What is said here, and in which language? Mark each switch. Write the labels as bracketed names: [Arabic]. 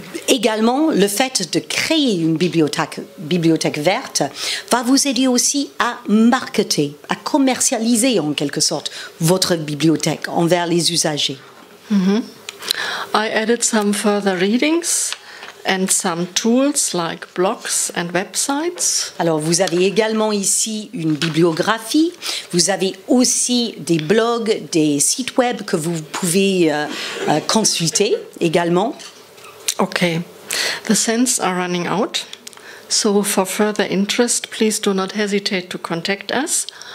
[French] Également, le fait de créer une bibliothèque verte va vous aider aussi à marketer, à commercialiser en quelque sorte votre bibliothèque envers les usagers. Mm-hmm. [English] I added some further readings and some tools like blogs and websites. [French] Alors, vous avez également ici une bibliographie. Vous avez aussi des blogs, des sites web que vous pouvez consulter également. [English] Okay, the cents are running out. So for further interest, please do not hesitate to contact us.